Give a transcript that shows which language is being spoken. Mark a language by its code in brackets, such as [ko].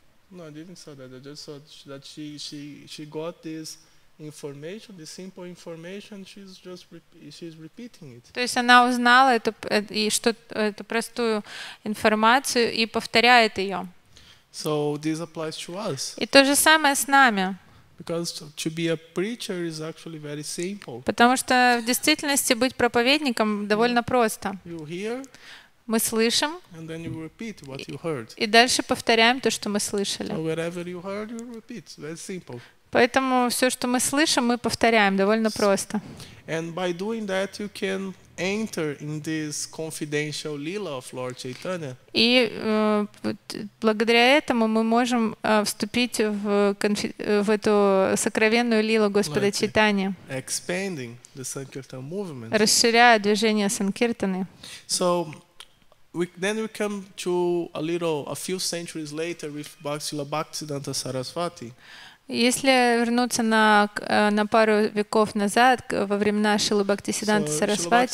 [en] No, I didn't say that. I just saw that she got this information, this simple information. She's repeating it. [ru] То есть она узнала эту и что эту простую информацию и повторяет ее. [en] So this applies to us. [ru] И то же самое с нами. [en] Because to be a preacher is actually very simple. [ru] Потому что в действительности быть проповедником довольно просто. [en] You hear. [ru] Мы слышим, [en] and then you repeat what you heard. [ru] И дальше повторяем то, что мы слышали. [en] So wherever you heard, you repeat. Very simple. [ru] Поэтому все, что мы слышим, мы повторяем довольно просто. [en] And by doing that, you can enter in this confidential lila of Lord Chaitanya. [ru] И благодаря этому мы можем вступить в эту сокровенную лилу Господа Чайтаньи. [en] Expanding the Sankirtan movement. [ru] Расширяя движение Санкиртаны. [en] So then we come to a few centuries later with Bhaktisila Bhaktisiddhanta Sarasvati. [ru] Если вернуться на пару веков назад во времена Шрилы Бхактисиддханты Сарасвати.